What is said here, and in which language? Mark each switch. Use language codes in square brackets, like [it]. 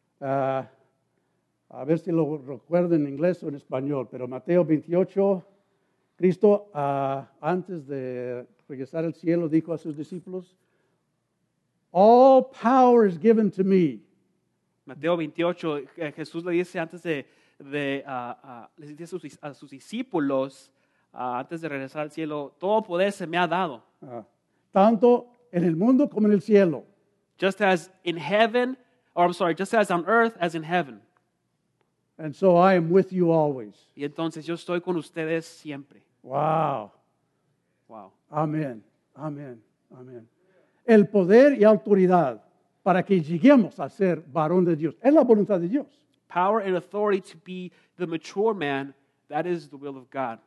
[es] A ver si lo recuerdo en inglés o en español, pero Mateo 28, Cristo, antes de regresar al cielo, dijo a sus discípulos, [en] all power is given to me. [es] Mateo 28, Jesús le dice antes dice a sus discípulos antes de regresar al cielo, todo poder se me ha dado. Tanto en el mundo como en el cielo. [en] Just as in heaven, or I'm sorry, just as on earth as in heaven. And so I am with you always. [es] Y entonces yo estoy con ustedes siempre. Wow. Wow. Amén. Amén. Amén. El poder y autoridad para que lleguemos a ser varón de Dios. Es la voluntad de Dios. [en] Power and authority to be the mature man, that is the will of God.